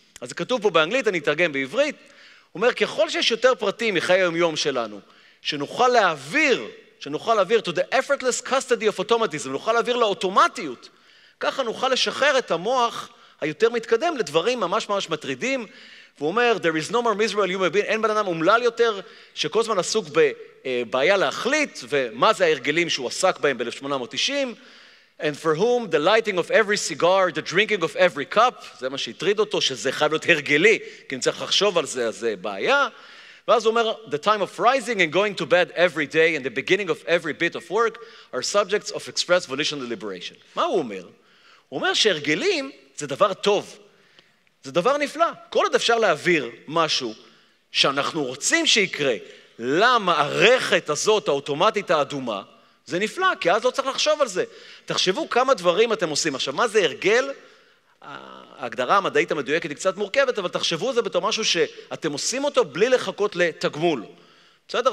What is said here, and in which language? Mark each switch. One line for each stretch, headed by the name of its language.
Hebrew: אז זה כתוב פה באנגלית, אני אתרגם בעברית, הוא אומר, ככל שיש יותר פרטים מחיי היום-יום שלנו, שנוכל להעביר
English: to the effortless custody of automatism,
Hebrew: נוכל להעביר לאוטומטיות, ככה נוכל לשחרר את המוח היותר מתקדם לדברים ממש ממש מטרידים, והוא אומר,
English: there is no more miserable human being,
Hebrew: אין בן אדם אומלל יותר, שכל זמן עסוק בבעיה להחליט, ומה זה ההרגלים שהוא עסק בהם ב-1890,
English: and for whom the lighting of every cigar, the drinking of every cup,
Hebrew: זה מה שהטריד אותו, שזה חייב להיות הרגלי, כי אם צריך לחשוב על זה, אז זה בעיה. ואז הוא אומר,
English: the time of rising and going to bed every day, and the beginning of every bit of work, are subjects of express volitional deliberation.
Hebrew: מה הוא אומר? הוא אומר שהרגלים זה דבר טוב, זה דבר נפלא. כל עוד אפשר להעביר משהו שאנחנו רוצים שיקרה למערכת הזאת האוטומטית האדומה, זה נפלא, כי אז לא צריך לחשוב על זה. תחשבו כמה דברים אתם עושים. עכשיו, מה זה הרגל? ההגדרה המדעית המדויקת היא קצת מורכבת, אבל תחשבו על זה בתור משהו שאתם עושים אותו בלי לחכות לתגמול. בסדר?